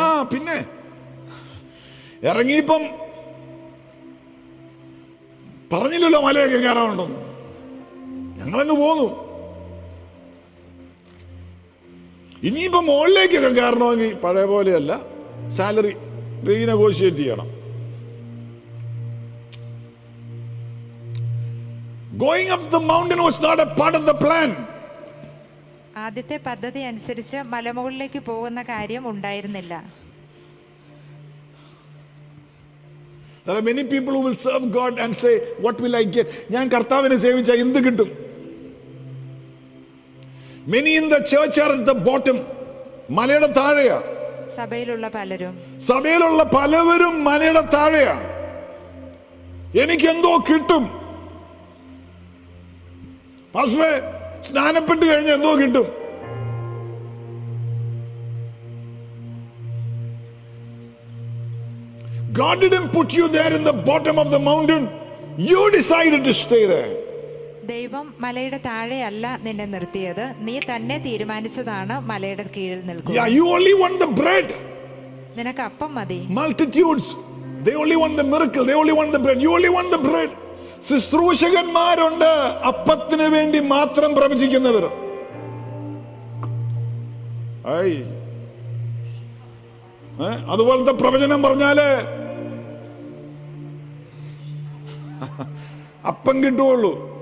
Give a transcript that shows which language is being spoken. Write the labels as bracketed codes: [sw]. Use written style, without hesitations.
[ml] ആ പിന്നെ ഇറങ്ങിയപ്പം പറഞ്ഞില്ലല്ലോ മലയൊക്കെ കയറാനുണ്ടെന്ന്. ഞങ്ങളങ്ങ് പോന്നു. ഇനിയിപ്പം മുകളിലേക്കൊക്കെ കയറണമെങ്കിൽ പഴയ പോലെയല്ല, സാലറി റീനെഗോഷിയേറ്റ് ചെയ്യണം. [en] Going up the mountain was not a part of the plan. [ml] ആദ്യത്തെ പദ്ധതി അനുസരിച്ച് മലമുകളിലേക്ക് പോകുന്ന കാര്യം ഉണ്ടായിരുന്നില്ല. [en] There are many people who will serve God and say, what will I get? [ml] ഞാൻ കർത്താവിനെ സേവിച്ചാൽ എന്ത് കിട്ടും? [en] Many in the church are at the bottom. [ml] മലയുടെ താഴെയാ സഭയിലുള്ള പലരും മലയുടെ താഴെയാ. എനിക്ക് എന്തോ കിട്ടും, പാസ്റ്ററെ സ്നാനപ്പെട്ട് കഴിഞ്ഞ എന്തോ കിട്ടും. [en] God didn't put you there in the bottom of the mountain. You decided to stay there. [ml] ദൈവം മലയുടെ താഴെയല്ല നിന്നെ നിർത്തിയത്, നീ തന്നെ തീരുമാനിച്ചതാണ് മലയുടെ കീഴിൽ നിൽക്കുക. [en] Yeah, you only want the bread. [ml] നിനക്ക് അപ്പം മതി. [en] Multitudes, they only want the miracle, they only want the bread. You only want the bread. [ml] ശുശ്രൂഷകന്മാരുണ്ട് അപ്പത്തിന് വേണ്ടി മാത്രം പ്രവചിക്കുന്നവർ. അതുപോലത്തെ പ്രവചനം പറഞ്ഞാല് അപ്പം കിട്ടുള്ളൂ.